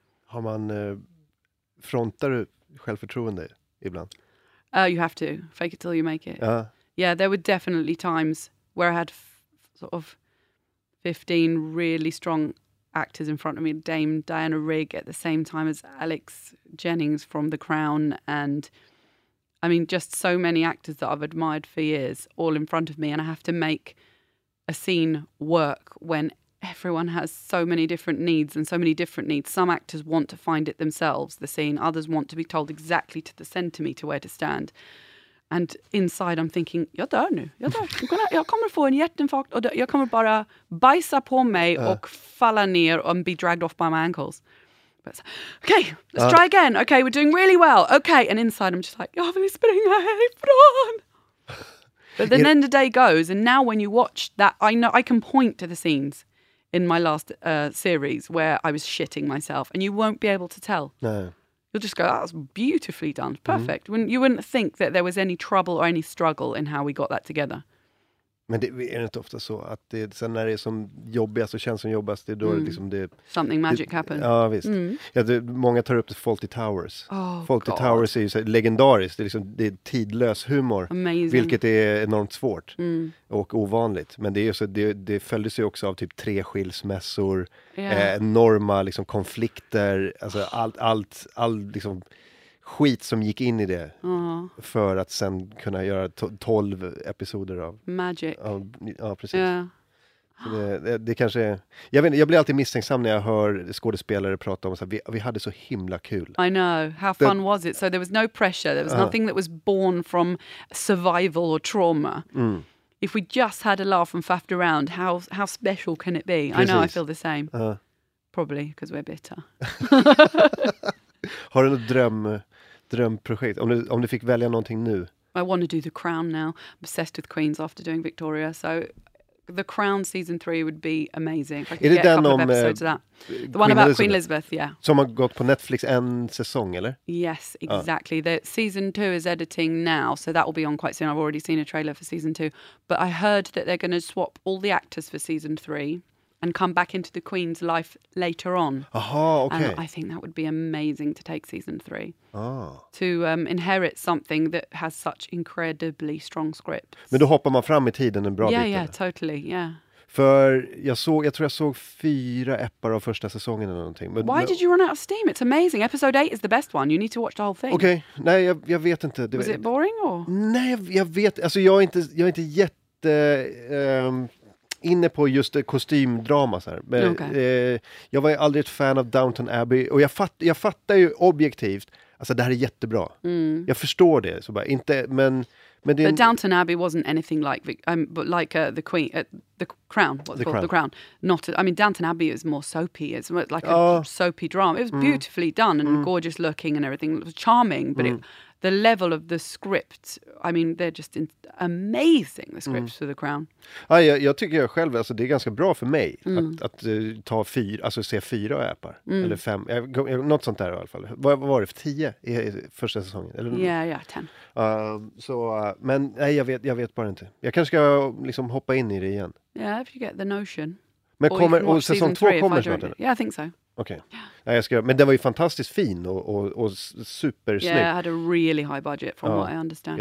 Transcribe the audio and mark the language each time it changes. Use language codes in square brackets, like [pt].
[sv] Har man frontar du självförtroende ibland? [en] You have to fake it till you make it. [sv] Ja. [en] Yeah, there were definitely times where I had sort of 15 really strong actors in front of me, Dame Diana Rigg at the same time as Alex Jennings from The Crown. And I mean, just so many actors that I've admired for years all in front of me. And I have to make a scene work when everyone has so many different needs and so many different needs. Some actors want to find it themselves, the scene. Others want to be told exactly to the centimeter where to stand. And inside I'm thinking, [sv] jag dör nu, jag dör. Jag kommer få en hjärtinfarkt och jag kommer bara bajsa på mig och falla ner [en] and be dragged off by my ankles. But okay, let's try again. Okay, we're doing really well. Okay, and inside I'm just like, [sv] jag vill springa härifrån. [en] But then the day goes, and now when you watch that, I know I can point to the scenes in my last series where I was shitting myself, and you won't be able to tell. No. You'll just go, that was beautifully done. Perfect. Mm. You wouldn't think that there was any trouble or any struggle in how we got that together. [sv] Men det är inte ofta så att det, sen när det är som jobbigast och känns som jobbigast, det är då liksom det... [en] Something magic happens. [sv] Ja, visst. Mm. Ja, många tar upp det Fawlty Towers. [en] Oh, [sv] Fawlty Towers är ju så legendariskt. Det är, liksom, det är tidlös humor. [en] Amazing. [sv] Vilket är enormt svårt. Mm. Och ovanligt. Men det är så, det följdes ju också av typ 3 skilsmässor. [en] Yeah. [sv] Enorma liksom konflikter. Alltså all liksom skit som gick in i det för att sen kunna göra 12 episoder av [en] magic. [sv] Ja, precis. [en] Yeah. [sv] Det kanske är, jag blir alltid misstänksam när jag hör skådespelare prata om så här, vi hade så himla kul. [en] I know. How fun was it? So there was no pressure. There was nothing that was born from survival or trauma. Mm. If we just had a laugh and faffed around, how special can it be? [sv] Precis. [en] I know, I feel the same. Probably because we're bitter. [sv] Har du något drömprojekt? Om du fick välja någonting nu? [en] I want to do The Crown now. I'm obsessed with Queens after doing Victoria. So The Crown season 3 would be amazing. If I could get a couple of episodes of that. The one about Queen Elizabeth, yeah. [sv] Som har gått på Netflix en säsong, eller? [en] Yes, exactly. The season 2 is editing now, so that will be on quite soon. I've already seen a trailer for season 2. But I heard that they're going to swap all the actors for season 3. And come back into the Queen's life later on. Aha, okay. And I think that would be amazing to take season 3. Ah. To inherit something that has such incredibly strong script. [sv] Men då hoppar man fram i tiden en bra bit. [en] Yeah, yeah, totally, yeah. [sv] För jag tror jag såg 4 eppar av första säsongen eller någonting. [en] Men, why did you run out of steam? It's amazing. Episode 8 is the best one. You need to watch the whole thing. [sv] Okej, okay. Nej, jag vet inte. [en] Was it boring or? [sv] Nej, jag vet. Alltså jag är inte jätte... inne på just kostymdrama så här. Men, jag var ju aldrig ett fan av Downton Abbey och jag fattar ju objektivt, alltså det här är jättebra. Mm. Jag förstår det så bara, inte, men Men det är... [en] But Downton Abbey wasn't anything like the Queen, the Crown. The Crown. Downton Abbey is more soapy. It's like a soapy drama. It was beautifully done and gorgeous looking and everything. It was charming, but the level of the script, I mean, they're just amazing, the scripts for The Crown. [sv] Ja, jag tycker jag själv, alltså det är ganska bra för mig att ta fyra, alltså se fyra äpar, eller fem, något sånt där i alla fall. Vad var det för 10 i första säsongen? Ja, 10. Men nej, jag vet bara inte. Jag kanske ska liksom hoppa in i det igen. [en] Yeah, if you get the notion. [sv] Men kommer, och säsong 2 kommer snart? [en] Yeah, I think so. Okay. Yeah. [sv] Men den var ju fantastiskt fin och supersnygg. [en] Yeah, I had a really high budget from what I understand.